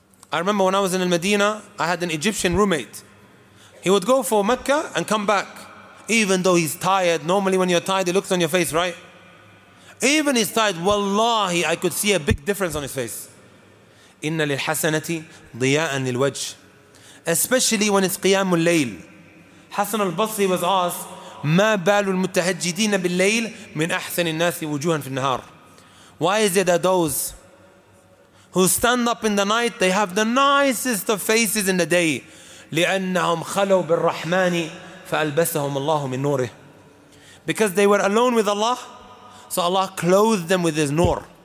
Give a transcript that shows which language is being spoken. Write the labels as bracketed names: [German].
[English] I remember when I was in Al-Medina, I had an Egyptian roommate. He would go for Mecca and come back, even though he's tired. Normally when you're tired, it looks on your face, right? Even he's tired, wallahi, I could see a big difference on his face. [Arabic] إِنَّ لِلْحَسَنَةِ ضِيَاءً لِلْوَجْهِ. [English] Especially when it's [Arabic] قِيَامُ اللَّيْلِ. [English] Hassan al-Basri was asked, [Arabic] مَا بَالُ الْمُتَّهَجِّدِينَ بِاللَّيْلِ مِنْ أَحْسَنِ النَّاسِ وُجُوهًا فِي النَّهَارِ. [English] Why is it that those who stand up in the night, they have the nicest of faces in the day? [Arabic] لِأَنَّهُمْ خَلَوْا بِالرَّحْمَنِ فَأَلْبَسَهُمُ اللَّهُ مِنْ نُورِهِ. [English] Because they were alone with Allah, so Allah clothed them with His nur.